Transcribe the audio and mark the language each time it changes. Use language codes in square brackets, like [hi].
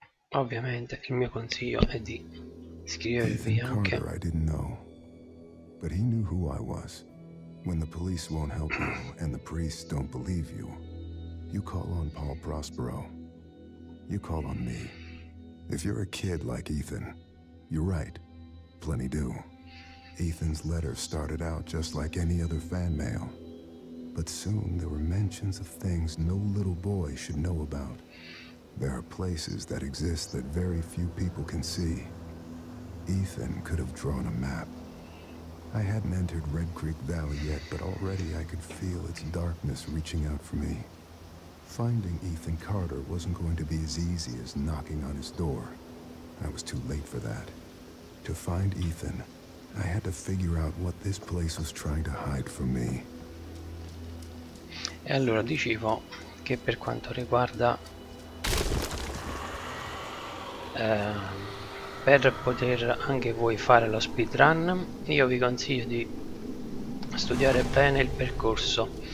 [it] Ovviamente, il mio consiglio è di scrivervi anche. [en] I didn't know. But he knew who I was. When the police won't help you and the priests don't believe you, you call on Paul Prospero. You call on me. If you're a kid like Ethan, you're right. Plenty do. Ethan's letter started out just like any other fan mail. But soon there were mentions of things no little boy should know about. There are places that exist that very few people can see. Ethan could have drawn a map. I hadn't entered Red Creek Valley yet, but already I could feel its darkness reaching out for me. Finding Ethan Carter wasn't going to be as easy as knocking on his door. I was too late for that. To find Ethan, I had to figure out what this place was trying to hide from me. [it] E allora dicevo che per quanto riguarda per poter anche voi fare lo speedrun, io vi consiglio di studiare bene il percorso.